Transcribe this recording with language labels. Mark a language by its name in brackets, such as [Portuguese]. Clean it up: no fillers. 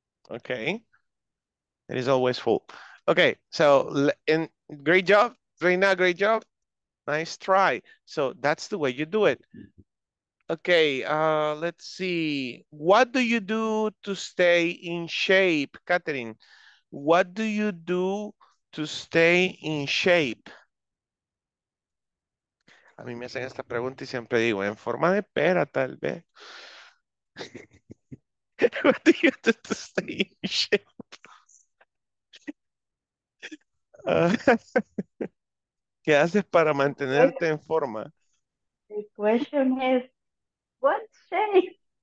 [English] Okay. It is always full. Okay, so great job, Reina, great job. Nice try. So that's the way you do it. Okay, let's see. What do you do to stay in shape, Catherine? What do you do to stay in shape? [Spanish] A mí me hacen esta pregunta y siempre digo, en forma de pera, tal vez. [English] What do you do to stay in shape? [Spanish] ¿Qué haces para mantenerte en forma? [English] The question is, what shape?